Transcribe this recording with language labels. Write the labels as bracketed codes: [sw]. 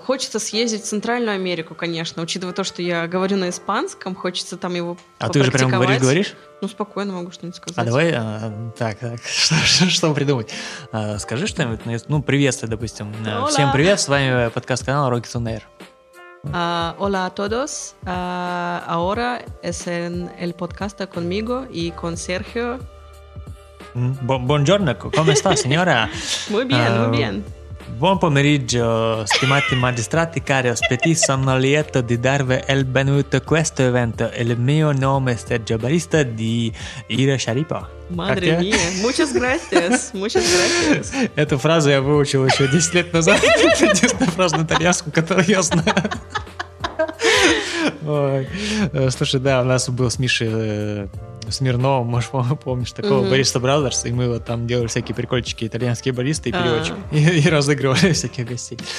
[ru] Хочется съездить в Центральную Америку, конечно. Учитывая то, что я говорю на испанском, хочется там его попрактиковать. А ты уже прям говоришь? Ну, спокойно могу что-нибудь сказать. А давай, так, что придумать? Скажи что-нибудь, ну, приветствую, допустим. [es] Hola. [ru] Всем привет, с вами подкаст-канал Rockets on Air. [es] Hola a todos. Ahora es en el podcast conmigo y con Sergio. [it] Buongiorno, [es] ¿cómo está, señora? Muy bien, muy bien. [it] Buon pomeriggio, stimati magistrati, cari ospiti, sono lieto di darvi il benvenuto a questo evento. Il mio nome è Sergio Barista di Ira Sharipa. [es] Madre mia, muchas gracias, muchas gracias. [ru] Эту фразу я выучил еще 10 лет назад. Это единственная фраза на итальянском, которую я знаю. Слушай, да, у нас был с Мишей... Смирнова, может, помнишь, такого Бариста Бразерс, и мы вот там делали всякие прикольчики, итальянские баристы и переводчики, и разыгрывали всяких гостей.